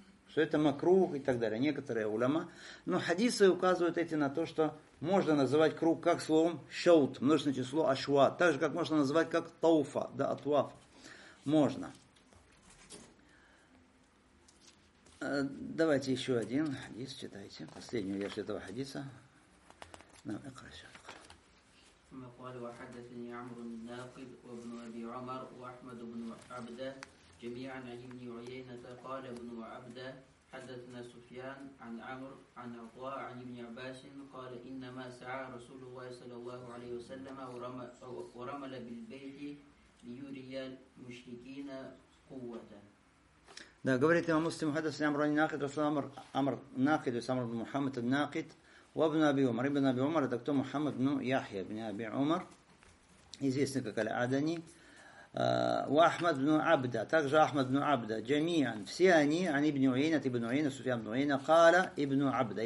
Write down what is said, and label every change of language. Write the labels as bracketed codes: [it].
[ru] Что это макрух и так далее. Некоторые уляма. Но хадисы указывают эти на то, что можно называть круг как словом шаут, множественное число ашва. Так же, как можно называть как тауфа, да, атваф. Можно. Давайте еще один хадис читайте. Последнюю версию этого хадиса. Нам экрасю. [ar] ثم قال وحدثني عمرو بن ناقد وابن أبي عمر وأحمد بن عبدة جميعا عن ابن عيينة قال ابن عبدة حدثنا سفيان عن عمرو عن عطاء عن ابن عباس قال إنما سعى رسول الله صلى الله عليه وسلم ورمل بالبيت ليري المشركين قوة. [ru] Да, говорит имам Муслим, хадисы Амр ибн Накид, Амр Накид, то есть Амр ибн Мухаммад ибн Накид, ибн Аби Умар. Ибн Аби Умар, это кто? Мухаммад ибн Яхья ибн Аби Умар, известный как Аль-Адани. Ахмад ибн Абда, также Ахмад ибн Абда, джамиан, все они, ан ибн Уйна, ибн Уйна, Суфьян ибн Уйна, кала ибн Абда.